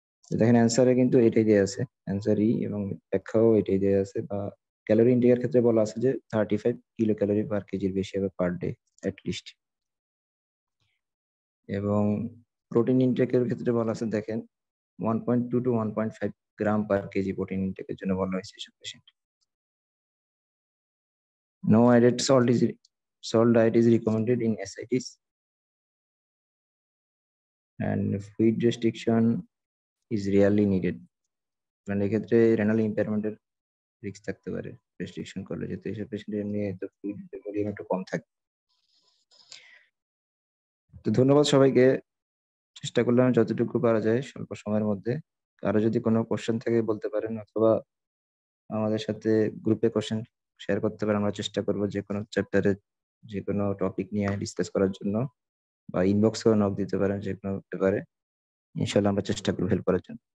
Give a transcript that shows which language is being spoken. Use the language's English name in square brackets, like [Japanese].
[Bangla] দেখেন অ্যান্সারে কিন্তু এটাই দেওয়া আছে, অ্যান্সারই এবং ব্যাখ্যাও এটাই দেওয়া আছে, বা ক্যালোরি ইন্টেকের ক্ষেত্রে বলা আছে যে 35 kcal পার কেজির বেশি হবে পার ডে অ্যাটলিস্ট। এবং প্রোটিন ইনটেকের ক্ষেত্রে বলা আছে, দেখেন 1.2-1.5 gram পার কেজি প্রোটিন ইনটেকের জন্য বলা হয়েছে এসব patient. [English] No added salt is salt diet is recommended in SIDs, and fluid restriction is rarely needed. [Bangla] মানে এক্ষেত্রে রেনাল ইম্পেয়ারমেন্টের রিস্ক থাকতে পারে রেস্ট্রিকশন করলে, যেহেতু এইসব পেশেন্টের এমনি তো ফ্লুইড ভলিউম একটু কম থাকে। তো ধন্যবাদ সবাইকে, চেষ্টা করলাম যতটুকু পারা যায় স্বল্প সময়ের মধ্যে, কারো যদি কোনো কোশ্চেন থাকে বলতে পারেন, অথবা আমাদের সাথে গ্রুপে কোশ্চেন শেয়ার করতে পারেন, আমরা চেষ্টা করবো যে কোনো চ্যাপ্টারে যে কোনো টপিক নিয়ে ডিসকাস করার জন্য, বা ইনবক্সেও নক দিতে পারেন যে কোনো ব্যাপারে, ইনশাল্লাহ আমরা চেষ্টা করবো হেল্প করার জন্য।